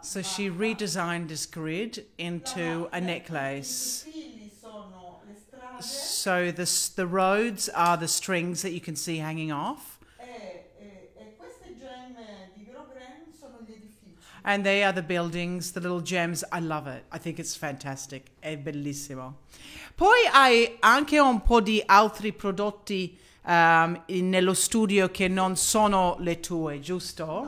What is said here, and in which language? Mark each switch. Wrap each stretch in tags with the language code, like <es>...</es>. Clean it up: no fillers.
<en>So she redesigned this grid into a necklace.</en> <it>I fili sono le strade.</it> <en>So the roads are the strings that you can see hanging off.</en> <it>E queste gemme di Grogren sono gli edifici.</it> <en>And they are the buildings, the little gems. I love it. I think it's fantastic.</en> <it>È bellissimo. Poi hai anche un po' di altri prodotti nello studio che non sono le tue, giusto?</it>